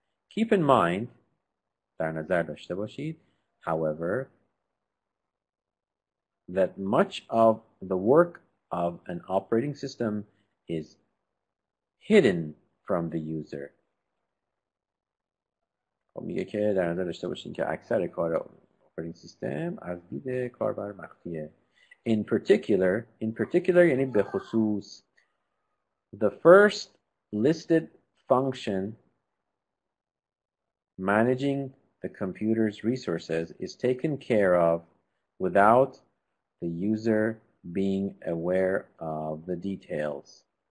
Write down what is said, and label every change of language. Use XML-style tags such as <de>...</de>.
<en>Keep in mind,</en> <fa>در نظر داشته باشید,</fa> <en>however, that much of the work of an operating system is hidden from the user.</en> <fa>خب میگه که در نظر داشته باشید که اکثر کار operating system از دید کاربر مخفیه.</fa> <en>In particular,</en> <fa>یعنی به خصوص,</fa> <en>the first listed function managing the computer's resources is taken care of without the user being aware of the details.</en>